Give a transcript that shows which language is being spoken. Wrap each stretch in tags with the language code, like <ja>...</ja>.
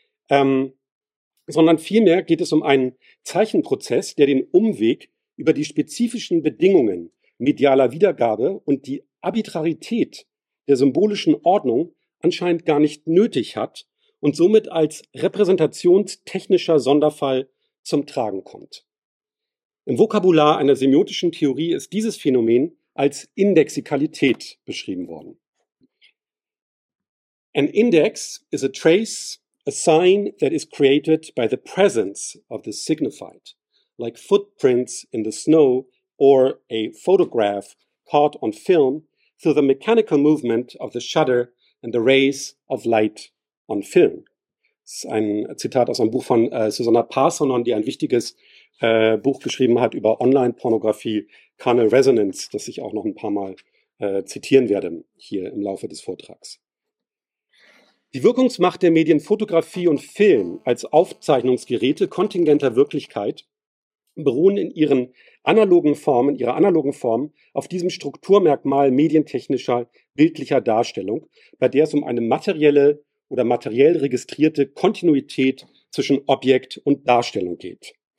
<de>Sondern vielmehr geht es um einen Zeichenprozess, der den Umweg über die spezifischen Bedingungen medialer Wiedergabe und die Arbitrarität der symbolischen Ordnung anscheinend gar nicht nötig hat und somit als repräsentationstechnischer Sonderfall zum Tragen kommt. Im Vokabular einer semiotischen Theorie ist dieses Phänomen als Indexikalität beschrieben worden.</de> <en>An index is a trace, a sign that is created by the presence of the signified, like footprints in the snow or a photograph caught on film through the mechanical movement of the shutter and the rays of light on film.</en> <de>Das ist ein Zitat aus einem Buch von Susanna Parsonon, die ein wichtiges Buch geschrieben hat über Online-Pornografie, Carnal Resonance, das ich auch noch ein paar Mal zitieren werde hier im Laufe des Vortrags. Die Wirkungsmacht der Medien Fotografie und Film als Aufzeichnungsgeräte kontingenter Wirklichkeit beruhen in ihren analogen Formen, auf diesem Strukturmerkmal medientechnischer bildlicher Darstellung, bei der es um eine materielle oder materiell registrierte Kontinuität zwischen Objekt und Darstellung geht.</de>